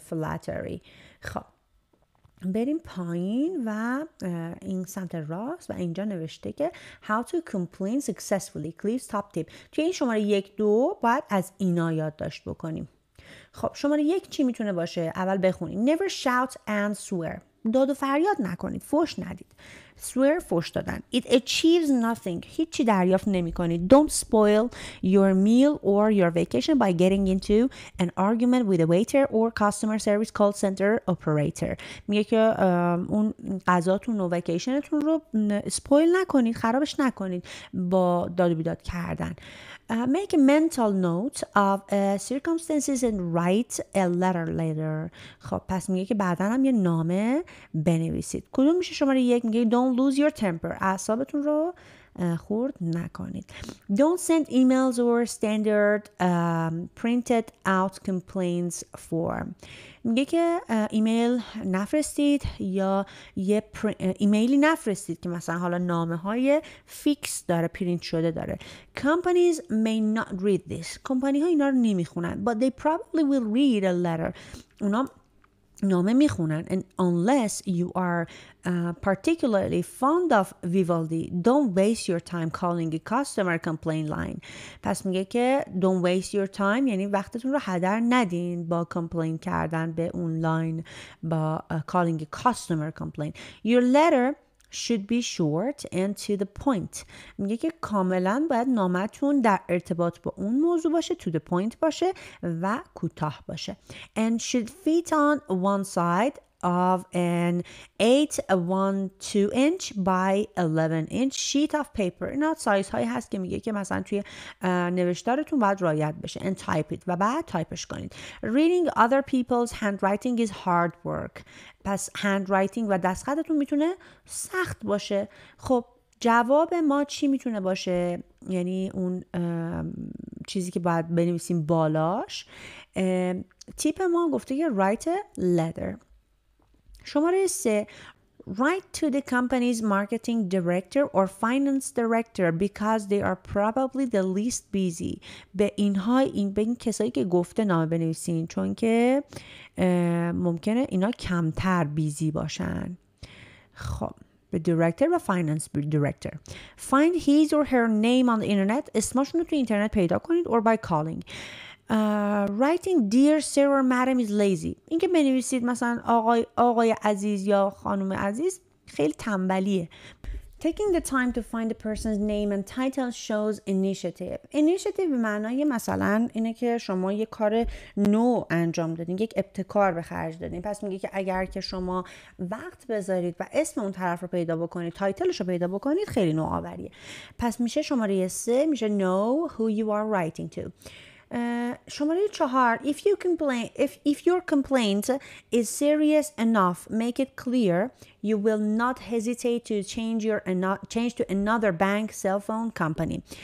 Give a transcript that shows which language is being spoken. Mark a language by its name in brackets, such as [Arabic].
[Persian] Flattery. خب بریم پایین و این سمت راست و اینجا نوشته که [English] How to complain successfully. Cliff's top tip. [Persian] توی این شماره 1-2 باید از اینا یاد داشت بکنیم. خب شماره 1 چی میتونه باشه؟ اول بخونید. [English] Never shout and swear. [Persian] داد و فریاد نکنید، فوش ندید. Swear فوش دادن. [English] It achieves nothing. [Persian] هیچی دریافت نمی کنید. [English] Don't spoil your meal or your vacation by getting into an argument with a waiter or customer service call center operator. [Persian] میگه که اون غذاتون و وکیشنتون رو spoil نکنید، خرابش نکنید با داد و بیداد کردن. [English] Make a mental note of circumstances and write a letter later. [Persian] خب پس میگه که بعداً هم یه نامه بنویسید. کدوم میشه شماره 1؟ میگه [English] don't lose your temper. [Persian] اعصابتون رو خرد نکنید. [English] Don't send emails or standard printed out complaints form. [Persian] میگه که ایمیل نفرستید یا یه ایمیلی نفرستید که مثلا حالا نامه های فیکس داره، پرینت شده داره. [English] Companies may not read this. [Persian] کمپانی ها اینا رو نمیخونن. [English] But they probably will read a letter. [Persian] اونا نامه میخونن. [English] And unless you are particularly fond of Vivaldi, don't waste your time calling a customer complaint line. [Persian] پس میگه که [English] don't waste your time، [Persian] یعنی وقتتون رو هدر ندین با کمپلین کردن به اون لاین، با [English] calling a customer complaint. Your letter should be short and to the point. [Persian] میگه که کاملا باید نامتون در ارتباط با اون موضوع باشه، to the point باشه و کوتاه باشه. [English] And should fit on one side of an 8x12 inch by 11 inch sheet of paper. [Persian] اینا سایز هایی هست که میگه که مثلا توی نوشتارتون باید رعایت بشه. [English] And type it، [Persian] و بعد تایپش کنید. [English] Reading other people's handwriting is hard work. [Persian] پس handwriting و دستخطتون میتونه سخت باشه. خب جواب ما چی میتونه باشه؟ یعنی اون چیزی که باید بنویسیم بالاش. تیپ ما گفته که [English] write a letter. شماره 3، write to the company's marketing director or finance director because they are probably the least busy. [Persian] به اینها، این به این کسایی که گفته نامه بنویسین، چون که ممکنه اینا کمتر بیزی باشن. خب به director و finance director. [English] Find his or her name on the internet. [Persian] اسمشون رو تو اینترنت پیدا کنید. [English] Or by calling. Writing dear sir or madam is lazy. [Persian] این که بنویسید مثلا آقای عزیز یا خانم عزیز خیلی تنبلیه. [English] Taking the time to find the person's name and title shows initiative. [Persian] Initiative به معنای مثلا اینه که شما یه کار نو انجام دادین، یک ابتکار به خرج دادین. پس میگه که اگر که شما وقت بذارید و اسم اون طرف رو پیدا بکنید، تایتلش رو پیدا بکنید، خیلی نوآوریه. پس میشه شماره 3 میشه [English] know who you are writing to. شماره 4 if your complaint is serious enough, make it clear you will not hesitate to change to another bank cell phone company.